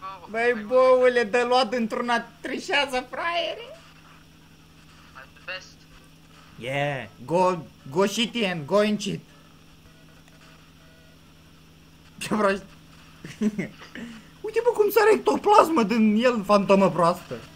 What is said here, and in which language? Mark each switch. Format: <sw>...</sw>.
<ro>Băi, boule, dă luat într-una, trișează, fraiere!</ro> <en>I'm the best. Yeah, go Shitian, go in cheat.</en> <ro>Ce proști? Uite, bă, cum sare ectoplasmă din el, fantomă proastă.</ro>